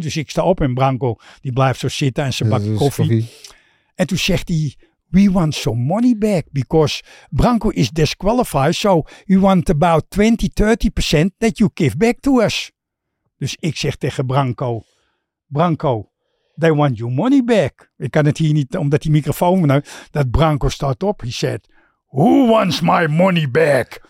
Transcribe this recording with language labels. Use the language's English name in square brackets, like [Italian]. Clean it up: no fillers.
[Dutch] Dus ik sta op en Branko, die blijft zo zitten en zijn bakje koffie. En toen zegt hij... [English] We want some money back because Branko is disqualified. So you want about 20-30% that you give back to us. [Dutch] Dus ik zeg tegen Branko. Branko, [English] they want your money back. [Dutch] Ik kan het hier niet, omdat die microfoon... Dat Branko staat op. [English] He said, who wants my money back?